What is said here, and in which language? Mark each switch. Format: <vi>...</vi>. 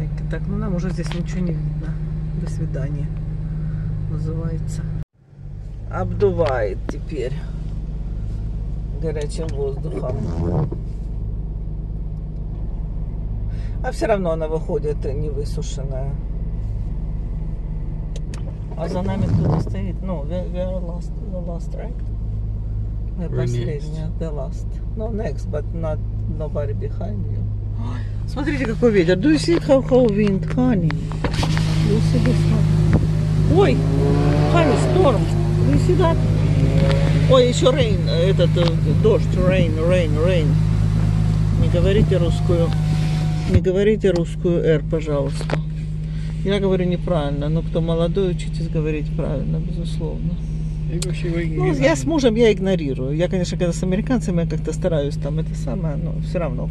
<ru>Так, ну нам уже здесь ничего не видно. До свидания. Называется. Обдувает теперь горячим воздухом. А все равно она выходит невысушенная. А за нами кто-то стоит?</ru> <en>Ну, we are the last, right?</en> <ru>Мы последние,</ru> <en>the last. No, next, but not nobody behind you.</en> <ru>Ой, смотрите, какой ветер.</ru> <en>Do you see how wind, honey? Do you see this one? Ой, honey, storm. Do you see that?</en> <ru>Ой, еще rain, этот дождь. Rain. Не говорите русскую. Не говорите русскую R, пожалуйста. Я говорю неправильно, но кто молодой, учитесь говорить правильно, безусловно. Ну, я с мужем, я игнорирую. Я, конечно, когда с американцами, я как-то стараюсь там это самое, но все равно.</ru>